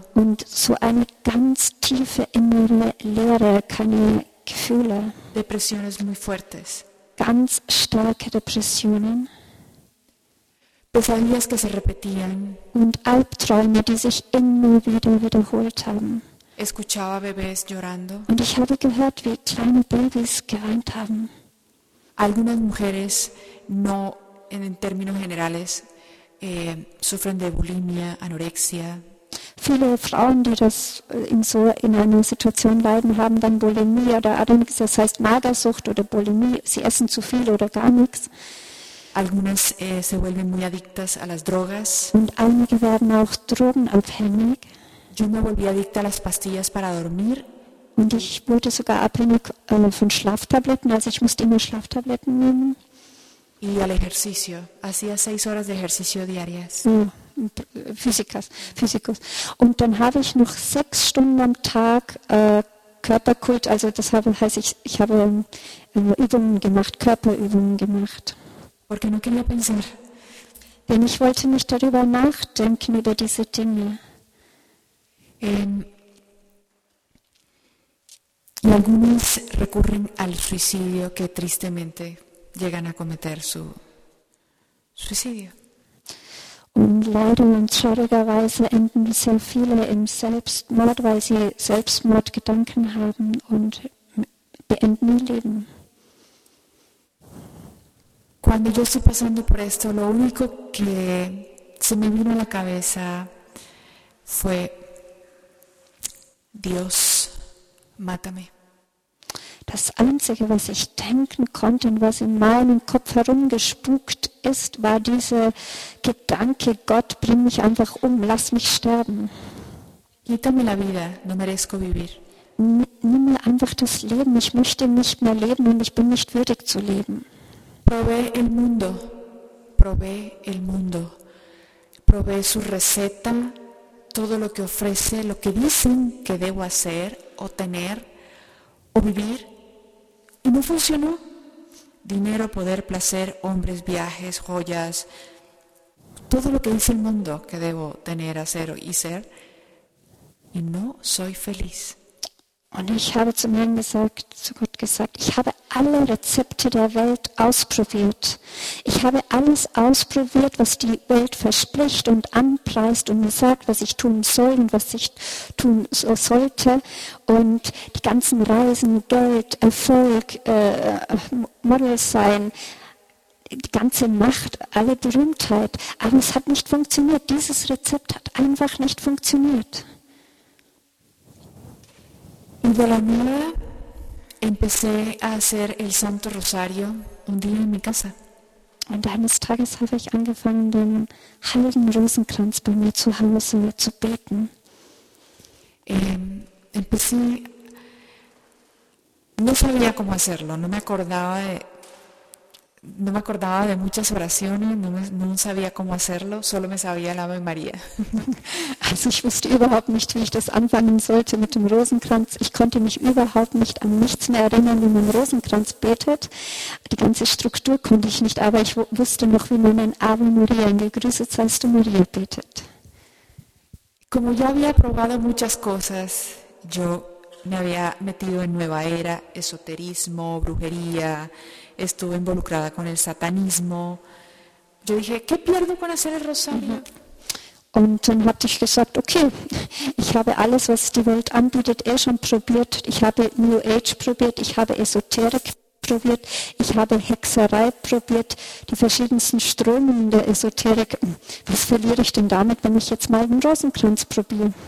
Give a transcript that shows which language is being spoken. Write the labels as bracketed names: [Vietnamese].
[German] Und so eine ganz tiefe innere Leere, keine Gefühle. [Spanish] Depresiones muy fuertes. [German] Ganz starke Depressionen. [Spanish] Pesadillas que se repetían. [German] Und Albträume, die sich immer wieder wiederholt haben. [Spanish] Escuchaba bebés llorando. [German] Und ich habe gehört, wie kleine Babys geweint haben. [Spanish] Algunas mujeres no, en términos generales, sufren de bulimia, anorexia. [German] Viele Frauen, die das in einer Situation leiden, haben dann Bulimie oder Anorexia, das heißt Magersucht oder Bulimie. Sie essen zu viel oder gar nichts. [Spanish] Algunas se vuelven muy adictas a las drogas. [German] Und einige werden auch drogenabhängig. [Spanish] Yo me volví adicta a las pastillas para dormir. [German] Und ich wurde sogar abhängig von Schlaftabletten, also ich musste immer Schlaftabletten nehmen. [Spanish] Y al ejercicio. Hacía 6 horas de ejercicio diarias. Physikos. [German] Und dann habe ich noch 6 Stunden am Tag Körperkult, also das heißt, ich habe Übungen gemacht, Körperübungen gemacht. [Spanish] Porque no quería pensar. [German] Denn ich wollte nicht darüber nachdenken, über diese Dinge. [Spanish] Y algunos recurren al suicidio, que tristemente llegan a cometer su suicidio. [German] Und leider und schrecklicherweise enden sehr viele im Selbstmord, weil sie Selbstmordgedanken haben und beenden ihr Leben. [Spanish] Cuando yo estoy pasando por esto, lo único que se me vino a la cabeza fue Dios, mátame. [German] Das Einzige, was ich denken konnte und was in meinem Kopf herumgespukt ist, war dieser Gedanke, Gott, bring mich einfach um, lass mich sterben. [Spanish] Quítame la vida, no merezco vivir. Nimm mir einfach das Leben, ich möchte nicht mehr leben und ich bin nicht würdig zu leben. Probé el mundo, probé su receta, todo lo que ofrece, lo que dicen que debo hacer o tener o vivir. Y no funcionó. Dinero, poder, placer, hombres, viajes, joyas. Todo lo que dice el mundo que debo tener, hacer y ser. Y no soy feliz. [German] Und ich habe zu mir gesagt, zu Gott, gesagt, ich habe alle Rezepte der Welt ausprobiert. Ich habe alles ausprobiert, was die Welt verspricht und anpreist und mir sagt, was ich tun soll und was ich tun so sollte. Und die ganzen Reisen, Geld, Erfolg, Model sein, die ganze Macht, alle Berühmtheit. Aber es hat nicht funktioniert. Dieses Rezept hat einfach nicht funktioniert. [Spanish] Y de la nada empecé a hacer el Santo Rosario un día en mi casa. [German] Und eines Tages habe ich angefangen, den Heiligen Rosenkranz bei mir zu Hause zu beten. [Spanish] Empecé, no sabía cómo hacerlo, no me acordaba de muchas oraciones, no sabía cómo hacerlo, solo me sabía el Ave María. [German] Also ich wusste überhaupt nicht, wie ich das anfangen sollte mit dem Rosenkranz. Ich konnte mich überhaupt nicht an nichts mehr erinnern, wie man Rosenkranz betet. Die ganze Struktur konnte ich nicht, aber ich wusste noch, wie man ein Ave Maria, ein gegrüßet seist du Maria, betet. [Spanish] Como ya había probado muchas cosas, yo me había metido en nueva era, esoterismo, brujería, estuve involucrada con el satanismo. Yo dije, ¿qué pierdo con hacer el rosario? [German] Und dann hatte ich gesagt, okay, ich habe alles, was die Welt anbietet, schon probiert. Ich habe New Age probiert, ich habe Esoterik probiert, ich habe Hexerei probiert, die verschiedensten Strömungen der Esoterik. Was verliere ich denn damit, wenn ich jetzt mal einen Rosenkranz probiere?